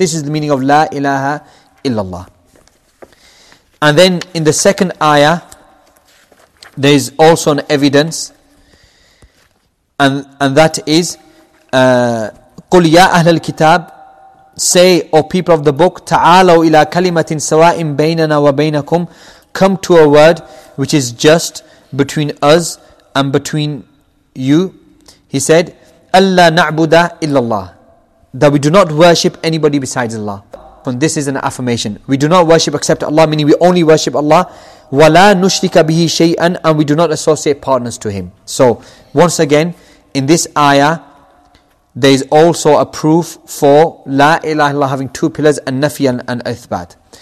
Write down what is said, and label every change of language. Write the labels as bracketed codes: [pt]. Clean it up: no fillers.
[en] This is the meaning of la ilaha illallah. And then in the second ayah, there is also an evidence, and that is, [ar] قُلْ يَا أَهْلَ الْكِتَابِ. [en] Say, O people of the book, [ar] تَعَالَوْا إِلَىٰ كَلِمَةٍ سَوَاءٍ بَيْنَنَا وَبَيْنَكُمْ. [en] Come to a word which is just between us and between you. He said, [ar] أَلَّا نَعْبُدَ إِلَّا اللَّهِ. [en] That we do not worship anybody besides Allah. And this is an affirmation. We do not worship except Allah, meaning we only worship Allah. [ar] وَلَا نُشْرِكَ بِهِ شَيْئًا. [en] And we do not associate partners to him. So, once again, in this ayah, there is also a proof for La ilaha illallah having two pillars, and nafi and ithbat.